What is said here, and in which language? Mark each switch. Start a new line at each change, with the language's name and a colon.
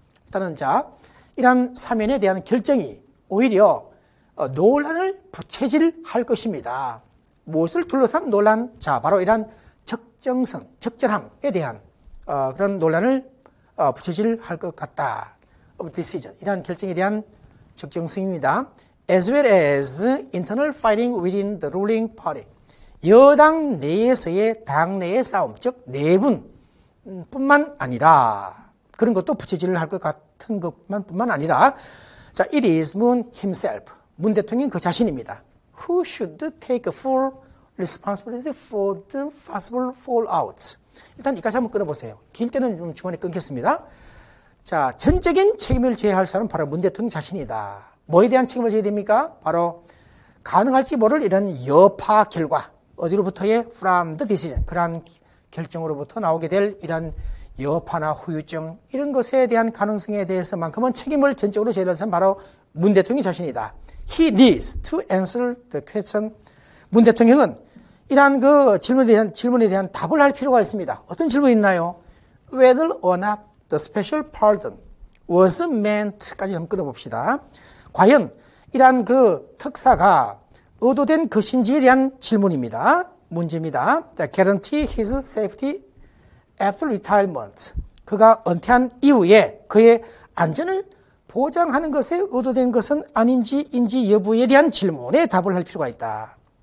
Korean: 다른 자, 이러한 사면에 대한 결정이 오히려 논란을 부채질 할 것입니다. 무엇을 둘러싼 논란? 자, 바로 이러한 적정성, 적절함에 대한 그런 논란을 부채질 할 것 같다.
English: of decision,
Korean: 이러한 결정에 대한 적정성입니다.
English: as well as internal fighting within the ruling party.
Korean: 여당 내에서의 당내의 싸움, 즉 내분 뿐만 아니라, 그런 것도 부채질을 할 것 같은 것만 뿐만 아니라, 자,
English: it is Moon himself,
Korean: 문 대통령 그 자신입니다.
English: who should take full responsibility for the possible fallout.
Korean: 일단 이까지 한번 끊어보세요. 길 때는 좀 중간에 끊겠습니다. 자, 전적인 책임을 져야 할 사람은 바로 문 대통령 자신이다. 뭐에 대한 책임을 져야 됩니까? 바로 가능할지 모를 이런 여파 결과, 어디로부터의
English: from the decision,
Korean: 그러한 결정으로부터 나오게 될 이런 여파나 후유증, 이런 것에 대한 가능성에 대해서만큼은 책임을 전적으로 져야 될 사람은 바로 문 대통령 자신이다.
English: He needs to answer the question.
Korean: 문 대통령은 이러한 그 질문에 대한 답을 할 필요가 있습니다. 어떤 질문이 있나요?
English: Whether or not the special pardon was meant
Korean: 까지 한번 끊어봅시다. 과연 이러한 그 특사가 의도된 것인지에 대한 질문입니다. 문제입니다.
English: The guarantee his safety after retirement.
Korean: 그가 은퇴한 이후에 그의 안전을 보장하는 것에 의도된 것은 아닌지 여부에 대한 질문에 답을 할 필요가 있다.